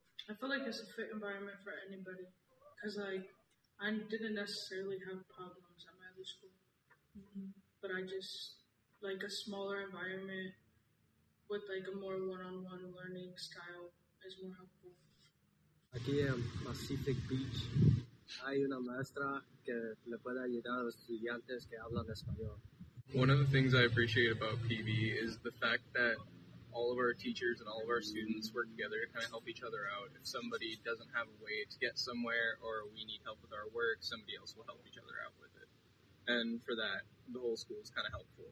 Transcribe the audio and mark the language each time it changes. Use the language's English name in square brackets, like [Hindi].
[English] I feel like it's a fit environment for anybody, because I didn't necessarily have problems at my other school. Mm-hmm. But I just like a smaller environment with like a more one-on-one learning style is more helpful. [Spanish] Aquí en Pacific Beach hay una maestra que le puede ayudar a los estudiantes que hablan español. [English] One of the things I appreciate about PB is the fact that all of our teachers and all of our students work together to kind of help each other out. If somebody doesn't have a way to get somewhere or we need help with our work, somebody else will help each other out with it. And for that, the whole school is kind of helpful.